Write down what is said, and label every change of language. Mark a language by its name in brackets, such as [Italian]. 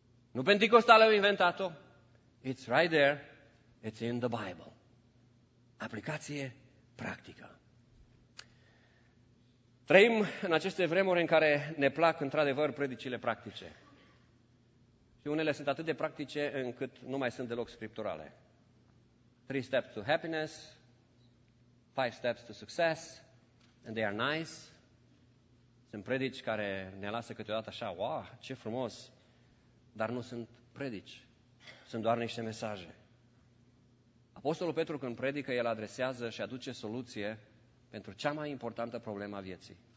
[Romanian] Nu penticostale au inventat-o. [English] It's right there. It's in the Bible. [Romanian] Aplicație practică. Trăim în aceste vremuri în care ne plac într-adevăr predicile practice. Și unele sunt atât de practice încât nu mai sunt deloc scripturale. [English] 3 steps to happiness, 5 steps to success, and they are nice. [Romanian] Sunt predici care ne lasă câteodată așa, wow, ce frumos, dar nu sunt predici, sunt doar niște mesaje. Apostolul Petru când predică, el adresează și aduce soluție pentru cea mai importantă problemă a vieții.